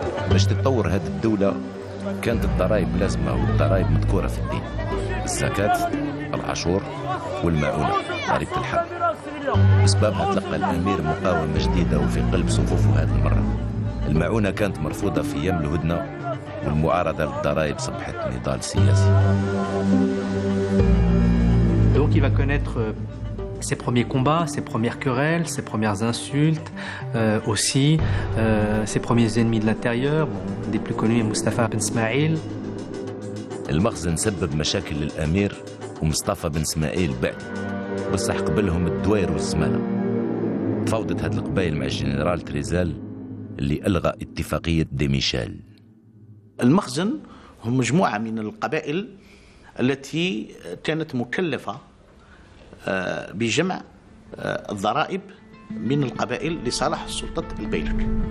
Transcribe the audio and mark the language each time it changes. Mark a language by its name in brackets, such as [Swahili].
[Arabic] باش تتطور هذه الدولة كانت الضرائب لازمة، والضرائب مذكورة في الدين، الزكاة، العشور، والمعونة، ضريبة الحق. بسببها تلقى الأمير مقاومة جديدة وفي قلب صفوفه هذه المرة. المعونة كانت مرفوضة في أيام الهدنة، والمعارضة للضرائب صبحت نضال سياسي. [French] Donc il va connaître ses premiers combats, ses premières querelles, ses premières insultes, aussi ses premiers ennemis de l'intérieur, des plus connus, Mustafa Ben Smaïl. [Arabic] المخزن سبب مشاكل للأمير ومصطفى بن اسماعيل بعد، بصح قبلهم الدوير والزمالة. فوضت هاد القبائل مع الجنرال تريزال اللي ألغى اتفاقية ديميشال. المخزن هم مجموعة من القبائل التي كانت مكلفة بجمع الضرائب من القبائل لصالح سلطة البيلك.